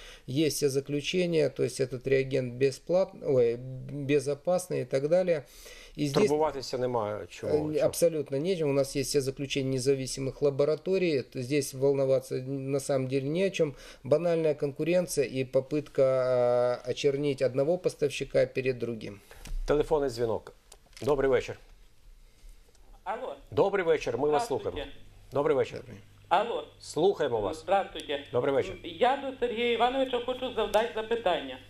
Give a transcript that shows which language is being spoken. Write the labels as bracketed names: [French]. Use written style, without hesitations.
[Russian] Есть все заключения, то есть этот реагент безопасный и так далее. И здесь [Ukrainian] турбуватися немає чого. [Russian] Абсолютно нечем. [Ukrainian] У нас є все заключення независимих лабораторій. [Russian] Здесь волноваться на самом деле не о чем. [Ukrainian] Банальна конкуренція і [Russian] попытка очернить одного поставщика перед другим. [Ukrainian] Телефонний дзвінок. Добрий вечір. Алло. Добрий вечір, ми вас слухаємо. Добрий вечір. Алло. Слухаємо вас. [Russian] Здравствуйте. [Ukrainian] Добрий вечір. Я до Сергія Івановича хочу завдати запитання.